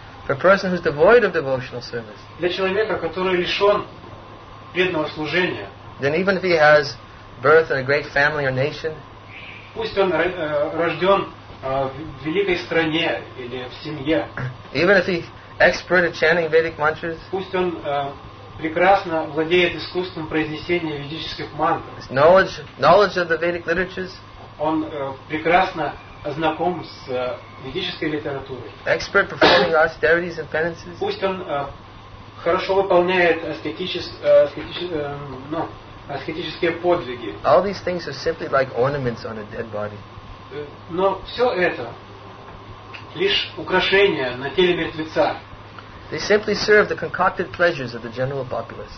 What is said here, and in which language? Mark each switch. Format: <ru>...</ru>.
<en>For a person who is devoid of devotional service,</en> <ru>для человека, который лишен преданного служения,</ru> <en>then even if he has birth in a great family or nation,</en> <ru>пусть он рожден в великой стране или в семье,</ru> <en>even if he's expert at chanting Vedic mantras,</en> <ru>пусть он прекрасно владеет искусством произнесения ведических мантр.</ru> <en>Knowledge of the Vedic literatures.</en> <ru>Он прекрасно знаком с ведической литературой.</ru> <en>Expert performing austerities and penances.</en> <ru>Пусть он хорошо выполняет аскетические подвиги.</ru> <en>All these things are simply like ornaments on a dead body.</en> <ru>Но все это лишь украшения на теле мертвеца.</ru> <en>They simply serve the concocted pleasures of the general populace.</en>